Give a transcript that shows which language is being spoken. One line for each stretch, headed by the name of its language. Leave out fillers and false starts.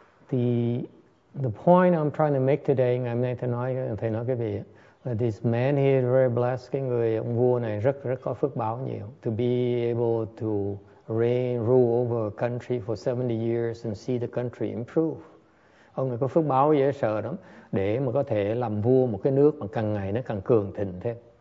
English: So the point I'm trying to make today,
Vietnamese: ngày nay tôi nói thì nó cái gì?
English: This man here is very blessed,
Vietnamese: cái người vua này rất rất có phước báo nhiều.
English: To be able to reign, rule over a country for 70 years and see the country improve.
Vietnamese: Ông này có phước báo dễ sợ lắm, để mà có thể làm vua một cái nước mà càng ngày nó càng cường thịnh thêm.